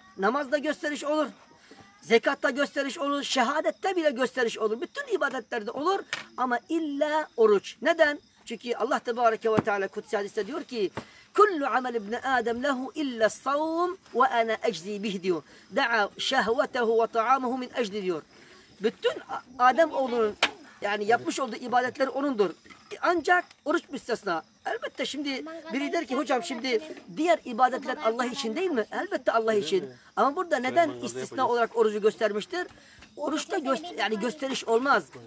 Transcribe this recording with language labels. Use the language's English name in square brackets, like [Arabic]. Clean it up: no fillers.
[Turkish] Namazda gösteriş olur, zekatta gösteriş olur, şehadette bile gösteriş olur. Bütün ibadetlerde olur ama illa oruç. Neden? Çünkü Allah tebareke ve teala kutsi hadiste diyor ki, [Arabic] كل عمل ابن آدم له إلا الصوم وأنا أجزي به [Turkish] diyor. [Arabic] دعا شهوته وطعامه من أجل [Turkish] diyor. Bütün Adem oğlunun yani yapmış olduğu ibadetler onundur. Ancak oruç müstesna. Elbette şimdi biri der ki hocam şimdi diğer ibadetler Allah için değil mi? Elbette Allah için. Ama burada neden istisna olarak orucu göstermiştir? Oruçta gösteriş olmaz.